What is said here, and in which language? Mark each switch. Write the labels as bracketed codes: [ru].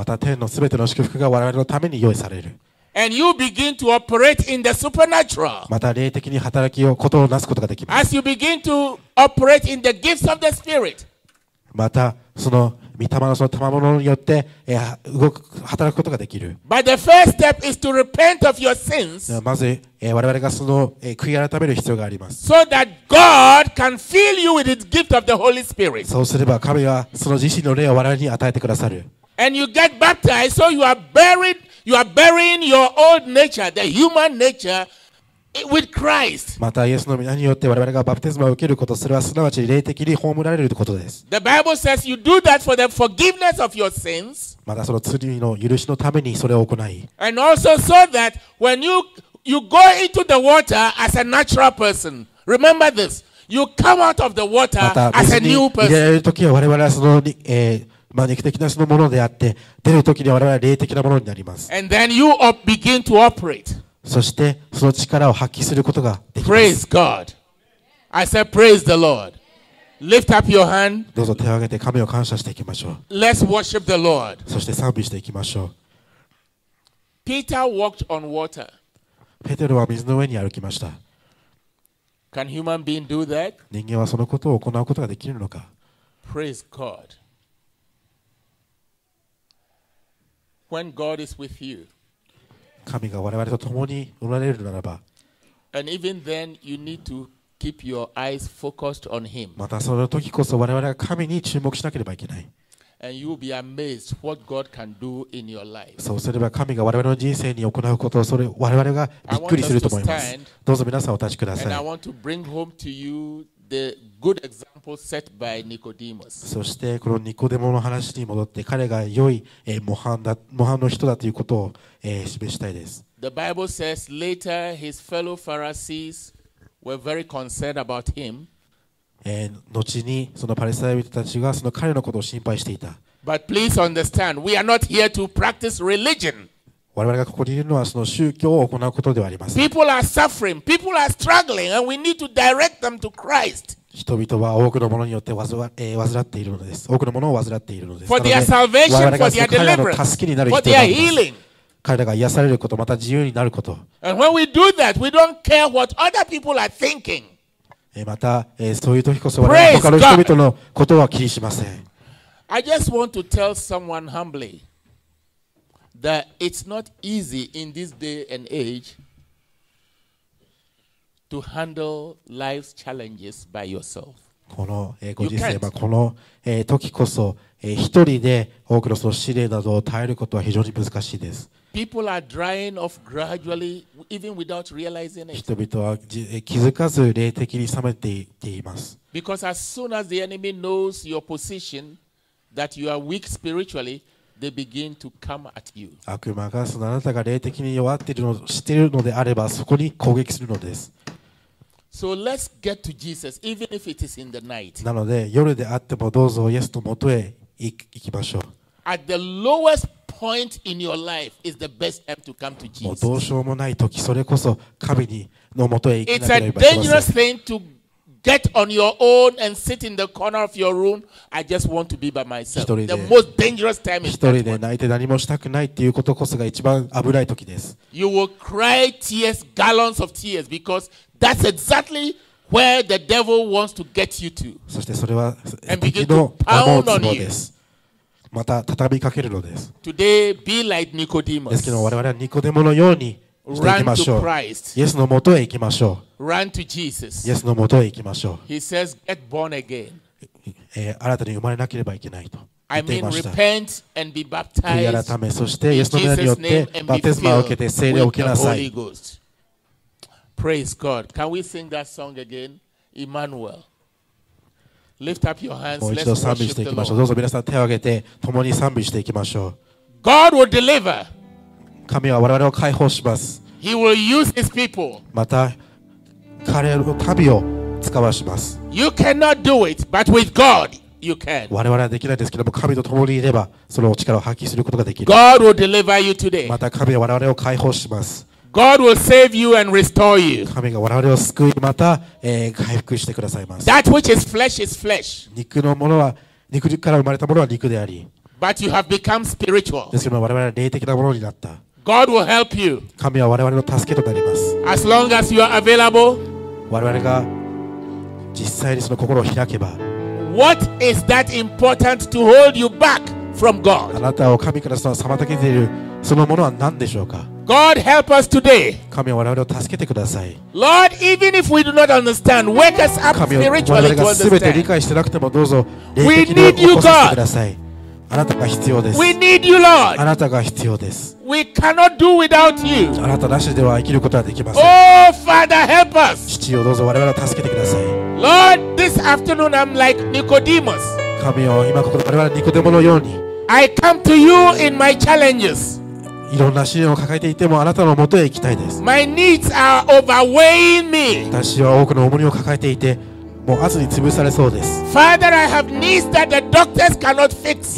[ja] また天のすべての祝福が我々のために用意される。 [en] And you begin to operate in the supernatural. [ja] また霊的に働きをことをなすことができます。 [en] As you begin to operate in the gifts of the Spirit. [ja] またその御霊のその賜物によって動く働くことができる。 [en] But the first step is to repent of your sins. [ja] まず我々がその悔い改める必要があります。 [en] So that God can fill you with His gift of the Holy Spirit. [ja] そうすれば神はその自身の霊を我々に与えてくださる。 [en] And you get baptized, so you are buriedYou are burying your old nature, the human nature, with Christ. [ja] またイエスの名によって我々がバプテスマを受けること、それはすなわち霊的に葬られることです。 [en] The Bible says you do that for the forgiveness of your sins. [ja] またその罪の許しのためにそれを行い。 [en] And also so that when you go into the water as a natural person, remember this, you come out of the water as a new person. [ja] また水に入れられるときは我々はその、まあ、肉的なそのものであって、出るときに我々は霊的なものになります。 [en] And then you begin to operate. [ja] そしてその力を発揮することができます。 [en] Praise God. I said praise the Lord. Lift up your hand. [ja] どうぞ手を挙げて神を感謝していきましょう。 [en] Let's worship the Lord. [ja] そして賛美していきましょう。 [en] Peter walked on water. [ja] ペテロは水の上に歩きました。 [en] Can human being do that? [ja] 人間はそのことを行うことができるのか。 [en] Praise God. When God is with you. [ja] 神が我々と共におられるならば。 [en] And even then, you need to keep your eyes focused on Him. [ja] またその時こそ我々が神に注目しなければいけない。 [en] And you will be amazed what God can do in your life. [ja] そうすれば神が我々の人生に行うことをそれ我々がびっくりすると思います。どうぞ皆さんお立ちください。 [en] And I want to bring home to you the good example set by Nicodemus. [ja] そしてこのニコデモの話に戻って彼が良い模範の人だということを示したいです。 [en] The Bible says later his fellow Pharisees were very concerned about him. [ja] 後にそのパリサイ人たちがその彼のことを心配していた。 [en] But please understand, we are not here to practice religion. [ja] 我々がここにいるのはその宗教を行うことではありません。 [en] People are suffering, people are struggling, and we need to direct them to Christ. [ja] 人々は多くのものによって患っているのです。多くのものを患っているのです。 [en] For their salvation, for their deliverance, [ja] 彼らの助けになる人なんです。 [en] For their healing. [ja] 彼らが癒されること、また自由になること。 [en] And when we do that, we don't care what other people are thinking. [ja] また、そういう時こそ他の人々のことは気にしません。 [en] I just want to tell someone humbly that it's not easy in this day and age to handle life's challenges by yourself. [ja] このご時世、この時こそ一人で多くのその試練などを耐えることは非常に難しいです。 [en] People are drying off gradually, even without realizing it. [ja] 人々は気づかず霊的に冷めています。 [en] Because as soon as the enemy knows your position, that you are weak spiritually, they begin to come at you. [ja] 悪魔がそのあなたが霊的に弱っているのを知っているのであれば、そこに攻撃するのです。 [en] So let's get to Jesus, even if it is in the night. [ja] なので夜であってもどうぞイエスの元へ行きましょう。 [en] At the lowest point in your life is the best time to come to Jesus. [ja] もうどうしようもない時、それこそ神の元へ行かなければいけません。 [en] It's a dangerous thing to get on your own and sit in the corner of your room. I just want to be by myself. [ja] 一人で。 [en] The most dangerous time is that one. [ja] 一人で泣いて何もしたくないっていうことこそが一番危ない時です。 [en] You will cry tears, gallons of tears, because that's exactly where the devil wants to get you to. [ja] そしてそれは敵の思うつもです。また畳みかけるのです。 [en] Today, be like Nicodemus. [ja] ですけど我々はニコデモのようにしていきましょう。イエスの元へ行きましょう。 [en] Run to Jesus. [ja] イエスの元へ行きましょう。 [en] He says, get born again. [ja] 新たに生まれなければいけないと言っていました。 [en] I mean, repent and be baptized. [ja] 悔い改め、そしてイエスの名によってバプテスマを受けて聖霊を受けなさい。 [en] Praise God. Can we sing that song again? Emmanuel. Lift up your hands. [ja] もう一度賛美していきましょう。どうぞ皆さん手を挙げて共に賛美していきましょう。 [en] God will deliver. [ja] 神は我々を解放します。 [en] He will use his people. [ja] また彼の民を使わします。 [en] You cannot do it, but with God, you can. [ja] 我々はできないですけども、神と共にいればその力を発揮することができる。 [en] God will deliver you today. [ja] また神は我々を解放します。 [en] God will save you and restore you. [ja] 神が我々を救い、また、回復してくださいます。 [en] That which is flesh is flesh. [ja] 肉のものは、肉から生まれたものは肉であり。 [en] But you have become spiritual. [ja] ですけども我々は霊的なものになった。 [en] God will help you. [ja] 神は我々の助けとなります。 [en] As long as you are available. [ja] 我々が実際にその心を開けば。 [en] What is that important to hold you back from God? [ja] あなたを神からその妨げているそのものは何でしょうか。 [en] God help us today. [ja] 神は我々を助けてください。 [en] Lord, even if we do not understand, wake us up spiritually to understand. [ja] 神は我々が全て理解してなくてもどうぞ霊的に起こさせてください。あなたが必要です。 [en] We need you, Lord. [ja] あなたが必要です。 [en] We cannot do without you. [ja] あなたなしでは生きることはできません。 [en] Oh, Father, help us. [ja] 父よ、どうぞ我々を助けてください。 [en] Lord, this afternoon I'm like Nicodemus. [ja] 神よ、今ここで我々ニコデモのように。 [en] I come to you in my challenges. [ja] いろんな試練を抱えていてもあなたの元へ行きたいです。 [en] My needs are overweighing me. [ja] 私は多くの重荷を抱えていて、もう圧に潰されそうです。 [en] Father, I have needs that the doctors cannot fix.